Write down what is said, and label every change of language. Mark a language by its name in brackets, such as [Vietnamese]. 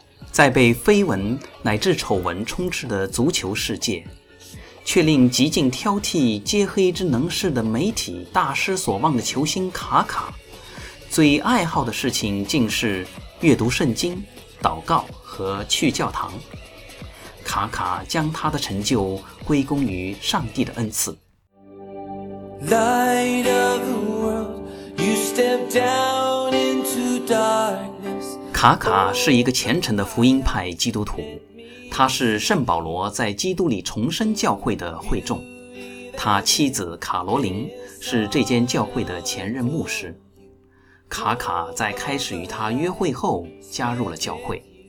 [Chinese] 在被绯闻乃至丑闻充斥的足球世界，却令极尽挑剔皆黑之能事的媒体大失所望的球星卡卡，最爱好的事情竟是阅读圣经、祷告和去教堂。卡卡将他的成就归功于上帝的恩赐。 [English] Light of the world, you step down into darkness. [Chinese] 卡卡是一个虔诚的福音派基督徒，他是圣保罗在基督里重生教会的会众，他妻子卡罗琳是这间教会的前任牧师。卡卡在开始与他约会后加入了教会。